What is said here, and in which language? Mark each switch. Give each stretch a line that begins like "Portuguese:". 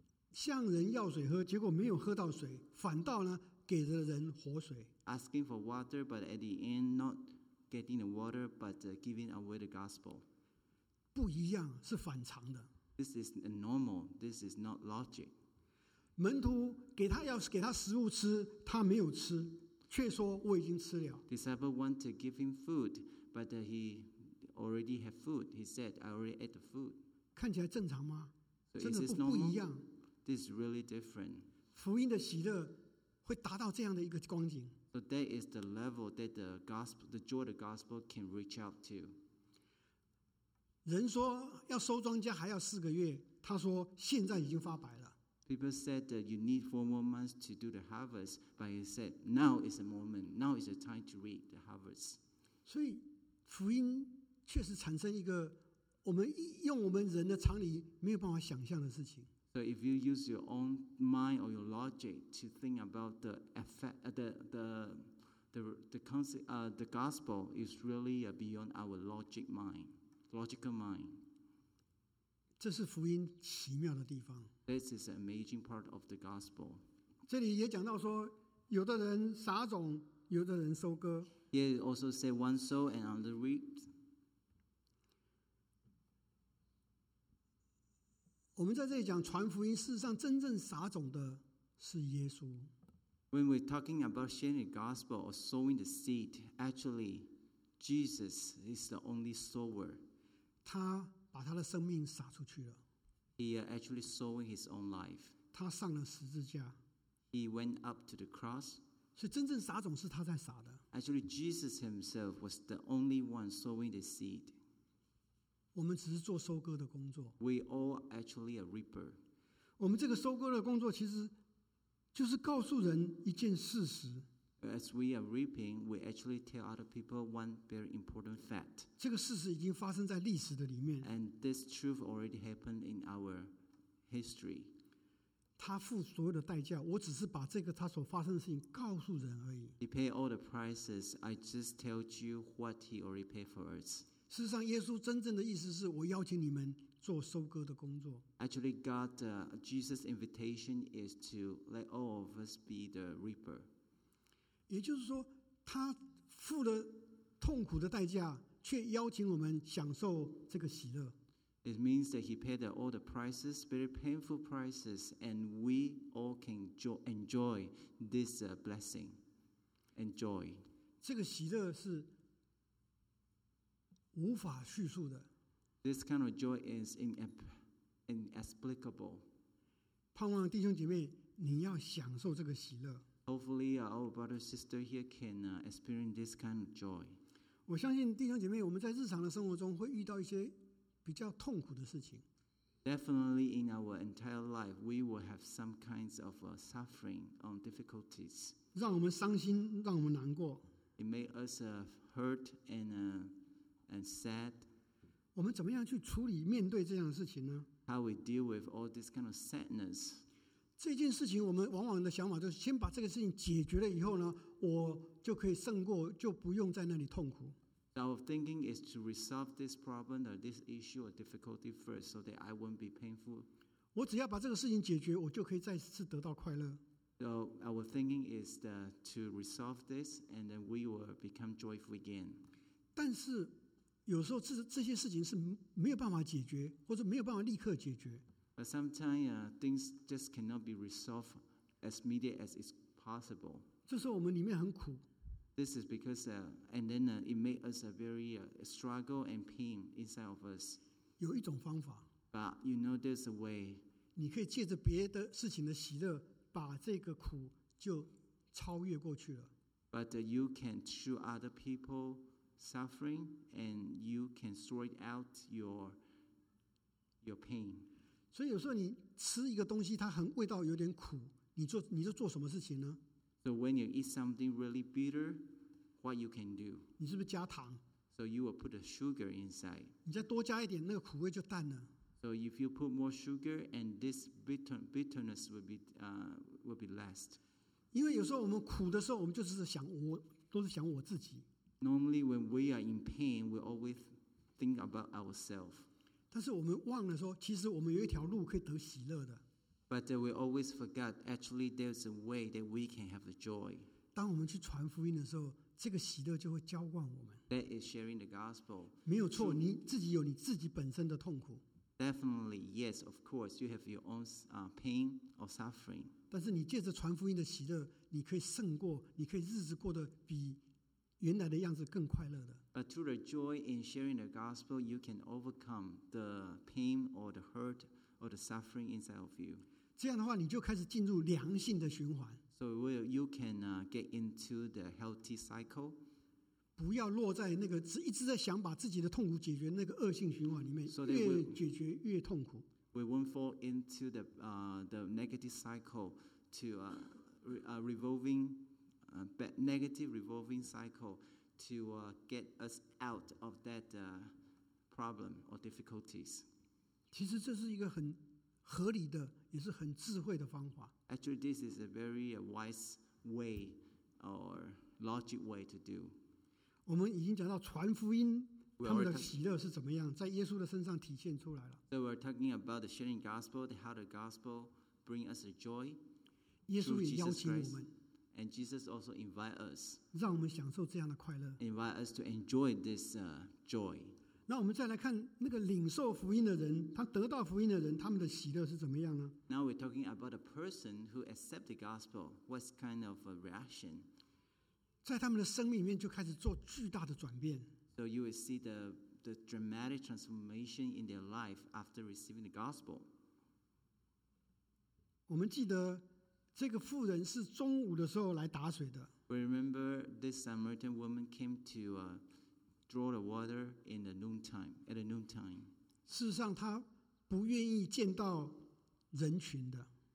Chinese: 向人要水喝，结果没有喝到水，反倒呢给了人活水。
English: Asking for water, but at the end not getting the water, but giving away the gospel.
Chinese: 不一样，是反常的。
English: This is normal. This is not logic.
Chinese: 门徒给他要给他食物吃，他没有吃，却说我已经吃了。
English: Disciple want to give him food, but he already have food. He said, "I already ate the food."
Chinese: 看起来正常吗？ So、真的 不一样。
English: This is really different.
Chinese: 福音的喜乐会达到这样的一个光景。
English: So that is the level that the gospel, the joy of the gospel, can reach out to.
Chinese: 人说要收庄稼还要四个月，他说现在已经发白了。
English: People said that you need four more months to do the harvest, but he said now is the moment, now is the time to reap the harvest.
Chinese: 所以福音确实产生一个我们用我们人的常理没有办法想象的事情。
English: So if you use your own mind or your logic to think about the effect, the gospel is really beyond our logic mind. Logical mind.
Chinese: 这是福音奇妙的地方。
English: This is an amazing part of the gospel.
Chinese: 这里也讲到说，有的人撒种，有的人收割。
English: He also said one sow and another reaped.
Chinese: 我们在这里讲传福音，事实上真正撒种的是耶稣。
English: When we're talking about sharing the gospel or sowing the seed, actually, Jesus is the only sower.
Chinese: 他把他的生命撒出去了。
English: He actually sowing his own life.
Chinese: 他上了十字架。
English: He went up to the cross.
Chinese: 所以真正撒种是他在撒的。
English: Actually, Jesus himself was the only one sowing the seed.
Chinese: 我们只是做收割的工作。
English: We all actually a reaper.
Chinese: 我们这个收割的工作其实就是告诉人一件事实。
English: As we are reaping, we actually tell other people one very important fact.
Chinese: 这个事实已经发生在历史的里面。
English: And this truth already happened in our history.
Chinese: 他付所有的代价，我只是把这个他所发生的事情告诉人而已。
English: He paid all the prices. I just told you what he already paid for us.
Chinese: 事实上，耶稣真正的意思是我邀请你们做收割的工作。
English: Actually, God, Jesus' invitation is to let all of us be the reaper.
Chinese: 也就是说，他付了痛苦的代价，却邀请我们享受这个喜乐。
English: It means that he paid all the prices, very painful prices, and we all can enjoy this blessing. Enjoy.
Chinese: 这个喜乐是无法叙述的。
English: This kind of joy is inexplicable.
Chinese: 盼望弟兄姐妹，你要享受这个喜乐。
English: Hopefully, our brother and sister here can experience this kind of joy.
Chinese: 我相信弟兄姐妹，我们在日常的生活中会遇到一些比较痛苦的事情。
English: Definitely, in our entire life, we will have some kinds of suffering or difficulties.
Chinese: 让我们伤心，让我们难过。
English: It made us hurt and sad.
Chinese: 我们怎么样去处理面对这样的事情呢？
English: How we deal with all this kind of sadness?
Chinese: 这件事情我们往往的想法就是先把这个事情解决了以后呢，我就可以胜过，就不用在那里痛苦。
English: Our thinking is to resolve this problem or this issue or difficulty first so that I won't be painful.
Chinese: 我只要把这个事情解决，我就可以再次得到快乐。
English: So our thinking is to resolve this and then we will become joyful again.
Chinese: 但是有时候 这些事情是没有办法解决，或者没有办法立刻解决。
English: But sometimes things just cannot be resolved as immediately as is possible.
Chinese: 这时候我们里面很苦。
English: This is because it made us a very struggle and pain inside of us.
Chinese: 有一种方法。
English: But you know there's a way.
Chinese: 你可以借着别的事情的喜乐，把这个苦就超越过去了。
English: But you can show other people. Suffering, and you can sort out your pain.
Chinese: 所以有时候你吃一个东西，它很味道有点苦，你就做什么事情呢
English: ？So when you eat something really bitter, what you can do?
Chinese: 你是不是加糖
English: ？So you will put a sugar inside.
Chinese: 你再多加一点，那个苦味就淡了。
English: So if you put more sugar, and this bitterness will be less.
Chinese: 因为有时候我们苦的时候，我们就是想我，都是想我自己。
English: Normally, when we are in pain, we always think about ourselves.
Chinese: 但是我们忘了说，其实我们有一条路可以得喜乐的。
English: But we always forget, actually, there's a way that we can have the joy.
Chinese: 当我们去传福音的时候，这个喜乐就会浇灌我们。
English: That is sharing the gospel.
Chinese: 没有错，你自己有你自己本身的痛苦。
English: Definitely, yes, of course, you have your own pain or suffering.
Chinese: 但是你借着传福音的喜乐，你可以胜过，你可以日子过得比原来的样子更快乐的。
English: But through the joy in sharing the gospel, you can overcome the pain or the hurt or the suffering inside of you.
Chinese: 这样的话，你就开始进入良性的循环。
English: So you can get into the healthy cycle.
Chinese: 不要落在那个一直在想把自己的痛苦解决那个恶性循环里面， so、越解决越痛苦。
English: We won't fall into the negative cycle to revolving. But negative revolving cycle to get us out of that problem or difficulties.
Chinese: 其实这是一个很合理的，也是很智慧的方法。
English: Actually, this is a very wise way or logic way to do.
Chinese: 我们已经讲到传福音，他们的喜乐是怎么样，在耶稣的身上体现出来了。
English: So we're talking about the sharing gospel, how the gospel bring us a joy.
Chinese: 耶稣也邀请我们。
English: And Jesus also invite us.
Chinese: 让我们享受这样的快乐。
English: Invite us to enjoy this joy.
Chinese: 那我们再来看那个领受福音的人，他得到福音的人，他们的喜乐是怎么样呢？
English: Now we're talking about a person who accept the gospel. What kind of a reaction?
Chinese: 在他们的生命里面就开始做巨大的转变。
English: So you will see the dramatic transformation in their life after receiving the gospel.
Chinese: 我们记得这个妇人是中午的时候来打水的。
English: We remember this Samaritan woman came to draw the water in the noontime. At the noontime.
Chinese: 事实上，她不愿意见到人群的。